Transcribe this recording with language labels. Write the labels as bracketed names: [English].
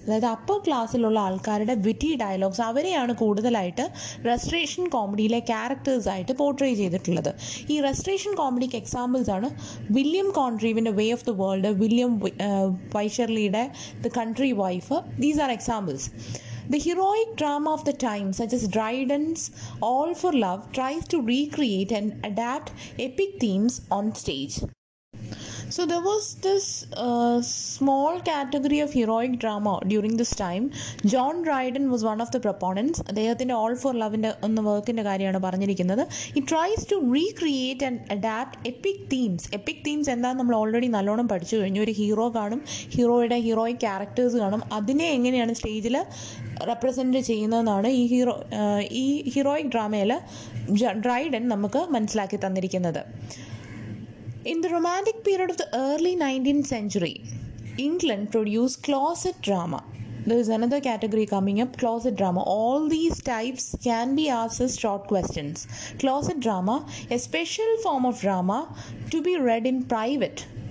[Malayalam] അതായത് അപ്പർ ക്ലാസ്സിലുള്ള ആൾക്കാരുടെ വിറ്റി ഡയലോഗ്സ്, അവരെയാണ് കൂടുതലായിട്ട് റെസ്ട്രേഷൻ കോമഡിയിലെ ക്യാരക്ടേഴ്സായിട്ട് പോർട്രേ ചെയ്തിട്ടുള്ളത്. ഈ റെസ്ട്രേഷൻ കോമഡിക്ക് എക്സാമ്പിൾസ് ആണ് William കോൺട്രീവിൻ്റെ way of the world, William വൈഷർലിയുടെ the country wife. [English] These are examples. The heroic drama of the time, such as Dryden's All for Love, tries to recreate and adapt epic themes on stage. So there was this small category of heroic drama during this time. John Dryden was one of the proponents. [Malayalam] അദ്ദേഹത്തിൻ്റെ all for ലവിൻ്റെ എന്ന വർക്കിൻ്റെ കാര്യമാണ് പറഞ്ഞിരിക്കുന്നത്. [English] It tries to recreate and adapt epic themes. [Malayalam] EPIC themes എന്താണെന്ന് നമ്മൾ already നല്ലോണം പഠിച്ചു കഴിഞ്ഞു. ഒരു ഹീറോ കാണും, ഹീറോയുടെ ഹീറോയിക് ക്യാരക്ടേഴ്സ് കാണും, അതിനെ എങ്ങനെയാണ് സ്റ്റേജിൽ റെപ്രസെൻറ്റ് ചെയ്യുന്നതെന്നാണ് ഈ ഹീറോയിക് ഡ്രാമയിൽ ഡ്രൈഡൻ നമുക്ക് മനസ്സിലാക്കി തന്നിരിക്കുന്നത്. [English] In the romantic period of the early 19th century, England produced closet drama. There is another category coming up, closet drama. All these types can be asked as short questions. Closet drama, a special form of drama to be read in private.